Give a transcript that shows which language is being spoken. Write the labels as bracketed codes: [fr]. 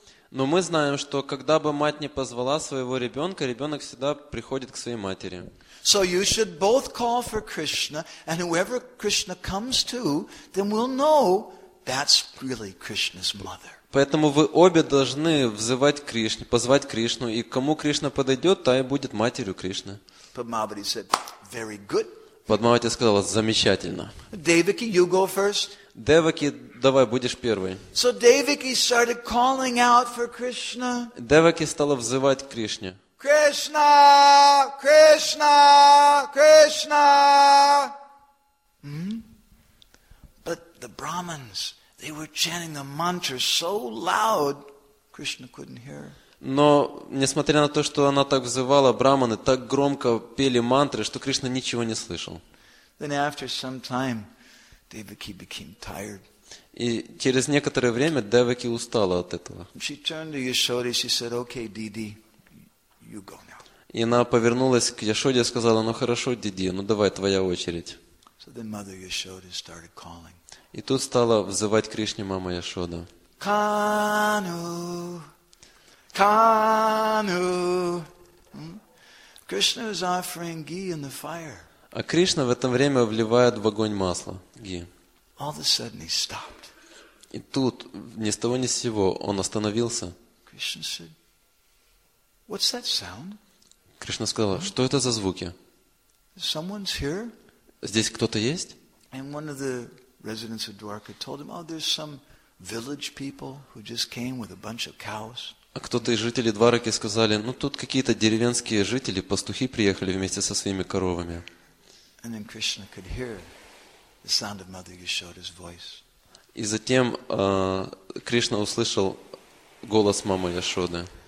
[ru] мы знаем, что когда бы мать не позвала своего ребенка, ребенок всегда приходит к своей матери. [en] So you should both call for Krishna, and whoever Krishna comes to, then we'll know that's really Krishna's mother. [ru] Поэтому вы обе должны взывать Кришну, позвать Кришну, и кому Кришна подойдет, та и будет матерью Кришны. [en] Падмавати said, very good. [ru] Падмавати сказала, замечательно. [en] Devaki, you go first. [ru] Devaki, давай, будешь первой. [en] So Devaki started calling out for Krishna. [ru] Devaki стала взывать Кришне. [en] Krishna, Krishna, Krishna. But the Brahmins, they were chanting the mantra so loud, Krishna couldn't hear. [ru] Но несмотря на то, что она так взывала, браманы так громко пели мантры, что Кришна ничего не слышал. [en] Then after some time, Devaki became tired. [ru] И через некоторое время Девики устала от этого. [en] She turned to Yashoda, she said, "Okay, Didi, you go now." [ru] И она повернулась к Яшоде и сказала: "Ну хорошо, Диди, ну давай твоя очередь." [en] So then Mother Yashoda started calling. [ru] И тут стала взывать Кришне мама Яшода. Канну, Канну. [en] Krishna is offering ghee in the fire. [ru] А Кришна в это время вливает в огонь масло, ghee. [en] All of a sudden he stopped. [ru] И тут ни с того ни с сего он остановился. [en] Krishna said, "What's that sound?" [ru] Кришна сказал, что это за звуки? [en] Someone's here. [ru] Здесь кто-то есть? [en] And one of the residents of Dwarka told him, "Oh, there's some village people who just came with a bunch of cows." [ru] А кто-то из жителей Двараки сказали: "Ну тут какие-то деревенские жители, пастухи приехали вместе со своими коровами." [en] And then Krishna could hear the sound of Mother Yashoda's voice. [ru] И затем Кришна услышал голос мамы Яшоды.